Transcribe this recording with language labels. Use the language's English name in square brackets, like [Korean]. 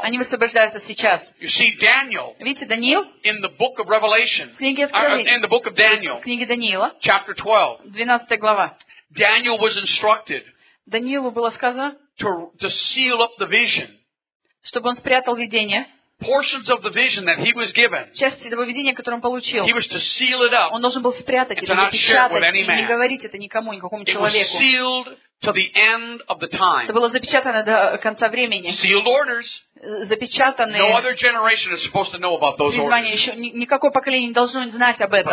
[Russian] Они высвобождаются сейчас. [English] You see Daniel. [Russian] Видите, Даниил? [English] In the book of Revelation. [Russian] В книге Откровения. [English] In the book of Daniel. [Russian] В книге Даниила. [English] Chapter 12. [Russian] 12 глава. [English] Daniel was instructed. [Russian] Даниилу было сказано. [English] To seal up the vision. [Russian] Чтобы он спрятал видение. [English] Portions of the vision that he was given. [Russian] Части того видения, которое он получил. [English] He was to seal it up. [Russian] Он должен был спрятать это, запечатать и не говорить это никому, никакому человеку. [English] It was sealed to the end of the time. [Russian] Это было запечатано до конца времени. [English] Sealed orders. [Russian] Запечатанные. [English] No other generation is supposed to know about those orders. [Russian] Призвание еще никакое поколение не должно знать об этом.